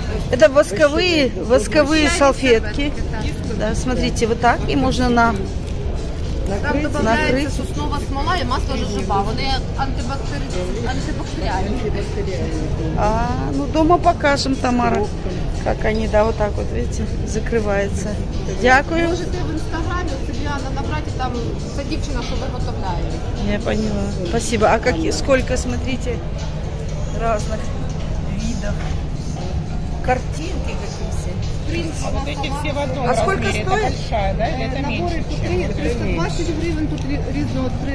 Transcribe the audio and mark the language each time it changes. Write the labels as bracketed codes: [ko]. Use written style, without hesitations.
[ru] Это восковые, восковые салфетки. Да, смотрите, вот так, и можно на накрыть. Там добавляется соснова смола и масло жжиба. Они антибактериальные. А, ну дома покажем, Тамара, как они, да, вот так вот, видите, закрываются. [uk] Дякую. [ru] Можете в Инстаграме у Сильвиана набрать, и [uk] там та дівчина, що виготовляє. [ru] Я поняла. Спасибо. А как, сколько, смотрите, разных видов картинки какие-то? А вот эти все в одном размере, это большая, да? Или это наборы меньше? Наборы по 320 гривен, тут резно 3